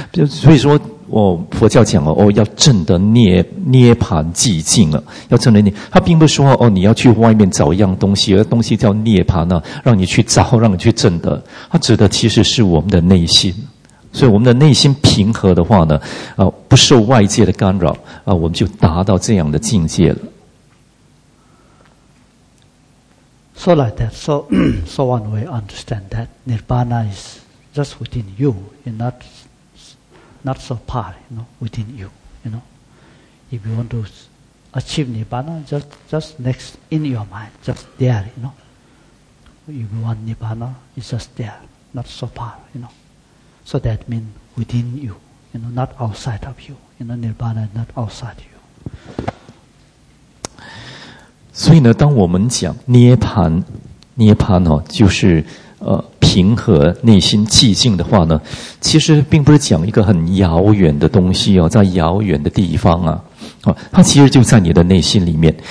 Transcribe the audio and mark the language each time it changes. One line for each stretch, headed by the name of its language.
Chinese: 所以说我佛教讲哦，要证得涅槃寂静了，要证得你，他并不是说哦，你要去外面找一样东西，而东西叫涅槃呢，让你去找，让你去证得。他指的其实是我们的内心，所以我们的内心平和的话呢，不受外界的干扰啊，我们就达到这样的境界了。
English: So like that, so one way understand that nirvana is just within you, and not. Not so far, you know, within you, you know. If you want to achieve Nirvana, just next in your mind, just there, you know. If you want Nirvana, it's just there, not so far, you know. So that means within you, you know, not outside of you. You know, Nirvana is not outside you.
Chinese: 所以呢，当我们讲涅槃哦，就是平和内心寂静的话呢，其实并不是讲一个很遥远的东西哦，在遥远的地方啊，它其实就在你的内心里面。